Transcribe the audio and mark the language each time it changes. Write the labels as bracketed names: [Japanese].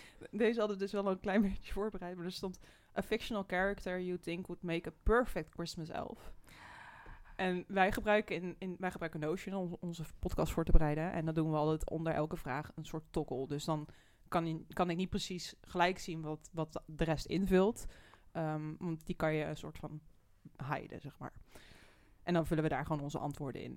[Dutch] Deze hadden dus wel een klein beetje voorbereid. Maar er stond... [English] A fictional character you think would make a perfect Christmas elf. [Dutch] En wij gebruiken wij gebruiken Notion om onze podcast voor te bereiden. En dat doen we altijd onder elke vraag een soort toggle. Dus dan kan ik niet precies gelijk zien wat de rest invult. Want die kan je een soort van hiden, zeg maar. En dan vullen we daar gewoon onze antwoorden in.